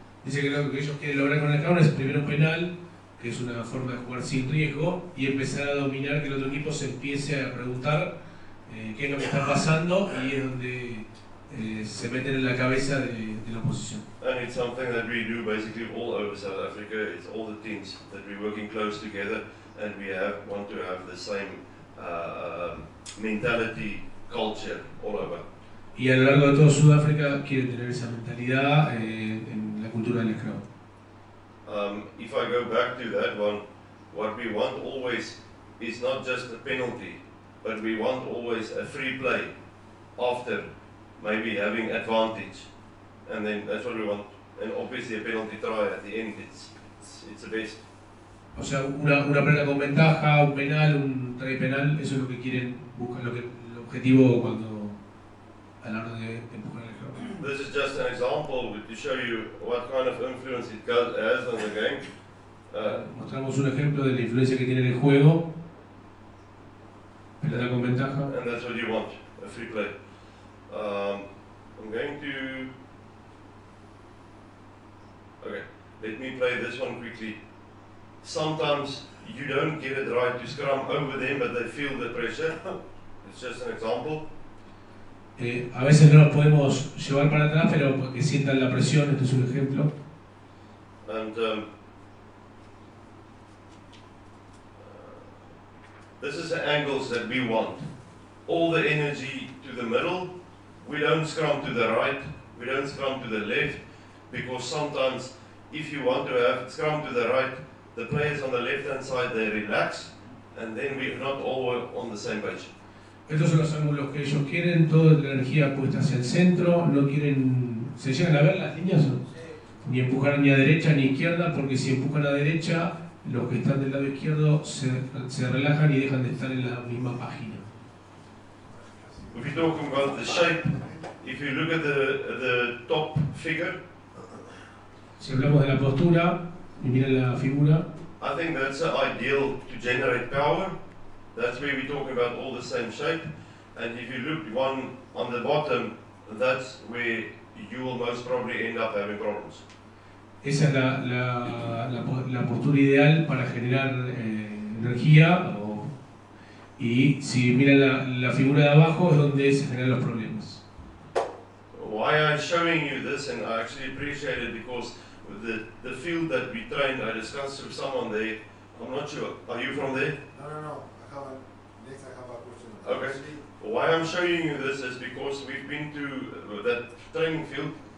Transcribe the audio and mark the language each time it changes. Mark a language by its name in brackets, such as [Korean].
[Spanish] Dice que lo que ellos quieren lograr con el Scrum es primero un penal, que es una forma de jugar sin riesgo, y empezar a dominar que el otro equipo se empiece a preguntar qué es lo que está pasando, y es donde se meten en la cabeza de la oposición. [English] And it's something that we do basically all over South Africa, it's all the teams that we're working close together, and we have want to have the same mentality, culture, all over. [Spanish] Y a lo largo de todo Sudáfrica quieren tener esa mentalidad en la cultura del Scrum. [English] If I go back to that one, what we want always is not just a penalty, but we want always a free play after maybe having advantage. And then that's what we want. And obviously a penalty try at the end, it's the best. [Spanish] O sea, una pelota con ventaja, un penal, un try penal, eso es lo que quieren buscar, lo que el objetivo cuando a la hora de empujar el juego. [English] This is just an example to show you what kind of influence it has on the game. [Spanish] Mostramos un ejemplo de la influencia que tiene en el juego. Pelota con ventaja. [English] And that's what you want, a free play. I'm going to... Okay, let me play this one quickly. Sometimes you don't get it right to scrum over them, but they feel the pressure. It's just an example. [Spanish] A veces no los podemos llevar para atrás, pero que sientan la presión, este es un ejemplo. [English] And this is the angles that we want. All the energy to the middle. We don't scrum to the right. We don't scrum to the left. Because sometimes if you want to have scrum to the right, the players on the left hand side, they relax, and then we're not all on the same page. [Spanish] Estos son los ángulos que ellos quieren, toda la energía puesta hacia el centro, no quieren, se llegan a ver las líneas, ni empujar ni a derecha ni a izquierda, porque si empujan a derecha, los que están del lado izquierdo se relajan y dejan de estar en la misma página. [English] If you're talking about the shape, if you look at the top figure, [Spanish] si hablamos de la postura y miren la figura, [English] I think that's ideal to generate power. That's where we're talking about all the same shape. And if you look one on the bottom, that's where you will most probably end up having problems. [Spanish] Esa es la postura ideal para generar energía. Y si miran la figura de abajo, es donde se generan los problemas. [English] Why I'm showing you this, and I actually appreciate it, because the field that we train, I discussed with someone there. I'm not sure. Are you from there? No. Next, I have a question. Okay. Why I'm showing you this is because we've been to that training field.